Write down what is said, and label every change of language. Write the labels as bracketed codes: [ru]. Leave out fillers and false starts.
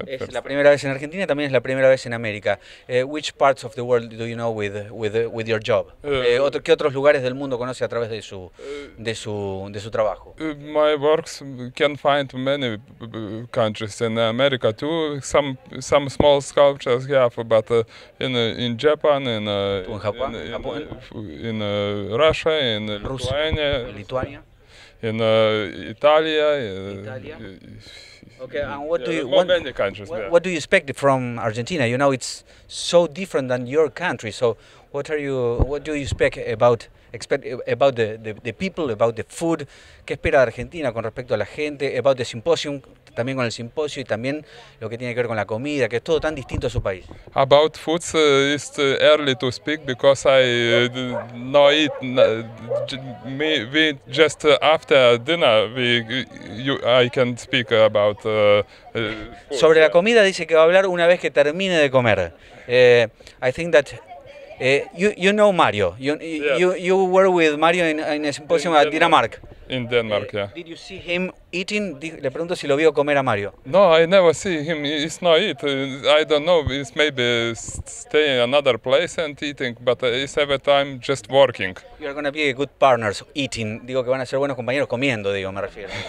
[es] La primera vez en Argentina, también es la primera vez en América. [en] Which parts of the world do you know with your job? [es] ¿Qué otros lugares del mundo conoce a través de su trabajo? [en] My works can find many countries in America too. Some small sculptures here, but in Japan, in Russia, in [es] Rusia, [en] Lithuania. [es] Lituania. [en] In Italy. Okay, and what do you want? Many countries. What do you expect from Argentina? You know, it's so different than your country. So, what do you expect about the people, about the food? [es] ¿Qué espera de Argentina con respecto a la gente? [en] About the symposium, [es] también con el simposio y también lo que tiene que ver con la comida, que es todo tan distinto a su país. [en] About foods, it's early to speak because I no eat. We just after dinner I can speak about. [es] Sobre la comida dice que va a hablar una vez que termine de comer. [en] I think that. You know Mario. You were with Mario in a symposium at Dinamarca. In Denmark, yeah. Did you see him eating? [es] Le pregunto si lo vio comer a Mario. [en] No, I never see him. He's not eat. I don't know. He's maybe staying in another place and eating, but he's every time just working. You are going to be good partners eating. [es] Digo que van a ser buenos compañeros comiendo, digo, me refiero.